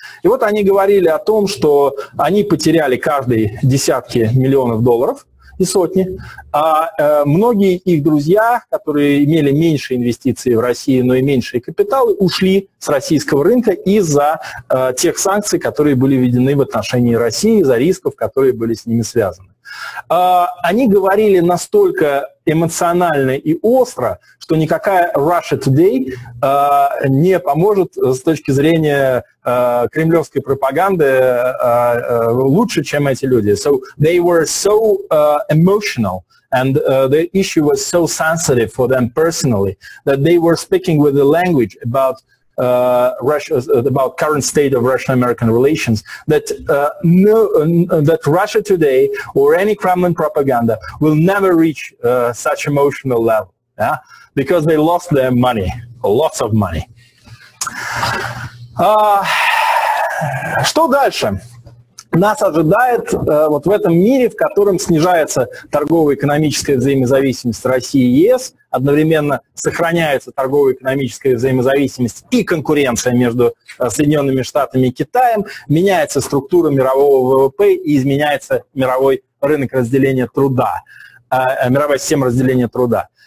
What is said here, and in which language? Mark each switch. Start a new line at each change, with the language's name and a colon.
Russian: И вот они говорили о том, что они потеряли каждые десятки миллионов долларов и сотни, а многие их друзья, которые имели меньше инвестиций в Россию, но и меньшие капиталы, ушли с российского рынка из-за тех санкций, которые были введены в отношении России, из-за рисков, которые были с ними связаны. Они говорили настолько эмоционально и остро, что никакая Russia Today не поможет с точки зрения кремлевской пропаганды лучше, чем эти люди.
English: So they were so emotional, and the issue was so sensitive for them personally, that they were speaking with the language about about current state of Russian-American relations, that that Russia Today or any Kremlin propaganda will never reach such emotional level, yeah, because they lost their money, lots of money.
Russian: Что дальше? Нас ожидает вот в этом мире, в котором снижается торгово-экономическая взаимозависимость России и ЕС, одновременно сохраняется торгово-экономическая взаимозависимость и конкуренция между Соединенными Штатами и Китаем, меняется структура мирового ВВП и изменяется мировой рынок разделения труда, мировая система разделения труда.